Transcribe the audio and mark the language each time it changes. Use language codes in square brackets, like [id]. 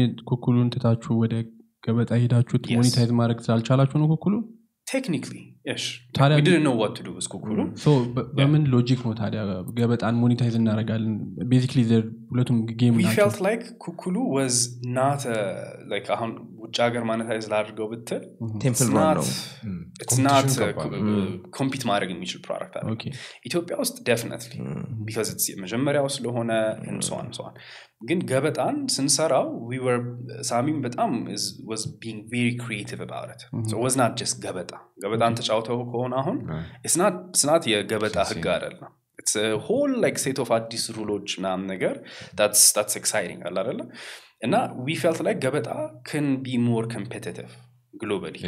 [am] ኩኩሉን ትታችሁ ወደ ገበጣ ሄዳችሁት monetize ማድረግ ሳልቻላችሁ ነው ኩኩሉ [en] technically yes we didn't know what to do with kukulu [am] so በምን ሎጂክ ነው ታዲያ ገበጣን monetize እናረጋለን basically the ሁለቱም game [en] we felt like kukulu was not like [am] አሁን ውጭ ሀገር monetize ላድርገው ብትል [en] temple run ነው it's not compete ማድረግ የሚችል product አለ okay ኢትዮጵያ ውስጥ definitely because it's መጀመሪያው ስለሆነ and so on and so on ግን ገበጣን ስንሰራው we were ሳሚም በጣም was being very creative about it so it was not just ገበጣን ተጫውተው ከሆነ አሁን it's not [am] የገበጣ ህግ አይደለም [en] it's a whole like set of addis rulech ናም ነገር that's exciting አለ አይደለ እና we felt like ገበጣ can be more competitive globally